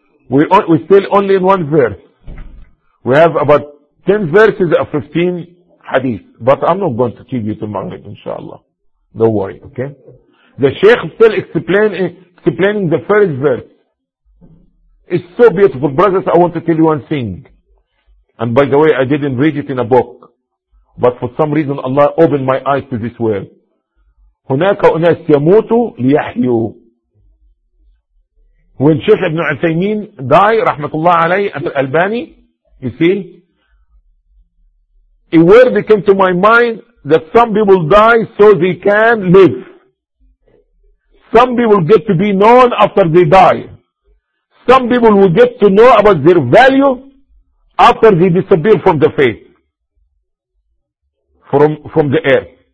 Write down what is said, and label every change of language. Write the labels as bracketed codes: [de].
[en] We still only in one verse. We have about 10 verses of 15 hadith. But I'm not going to keep you to Maghrib, inshallah. Don't worry, okay? The Sheikh is still explaining the first verse. It's so beautiful. Brothers, I want to tell you one thing. And by the way, I didn't read it in a book. But for some reason, Allah opened my eyes to this world. [ar] هناك أناس يموتوا ليحيوا. [en] When Sheikh Ibn Uthaymeen died, rahmatullah alayhi, Al-Albani, you see, a word came to my mind that some people die so they can live. Some people get to be known after they die. Some people will get to know about their value after they disappear from the faith, from the earth.